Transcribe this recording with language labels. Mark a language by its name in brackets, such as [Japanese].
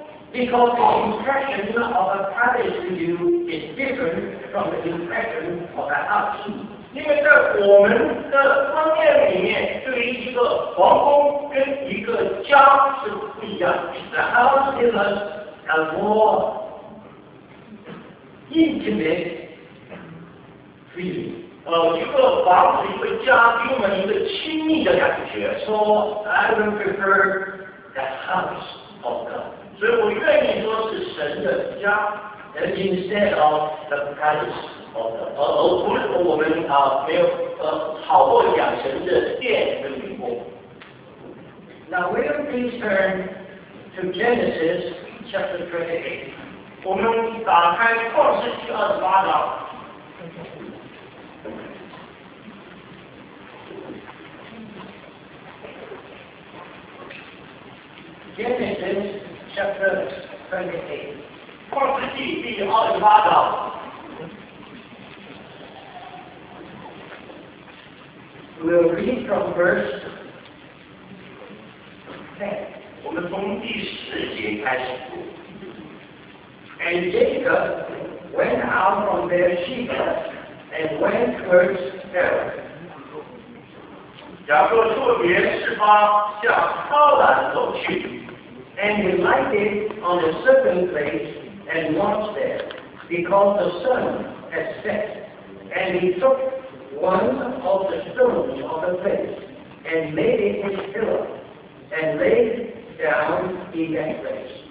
[English] because the impression of a palace to you is different from the impression of the house. [Chinese] 因为在我们的观念里面对于一个皇宫跟一个家是不一样的, [English] the house is a more intimate feeling, [Chinese] 一个房子一个家给我们一个亲密的感觉. [English] So I would prefer the house of God. [Chinese] 所以我愿意说是神的家, [English] and instead of the palace of God. [Chinese] 而不是我们没有好过讲神的殿跟女工. [English] Now we will please turn to Genesis chapter 28. [Chinese] 我们打开创世纪28章。 [English] Genesis chapter 28. [Chinese] 创世纪28章。 [English] We'll read from verse 10. [Chinese] 我们从第10节开始。 [English] And Jacob went out from Beersheba and went towards Haran. [Chinese] 雅各从别示巴向哈兰走去, [English] and he lighted on a certain place and watched there, because the sun had set. And he took one of the stones of the place and made it his pillar and laid down in that place.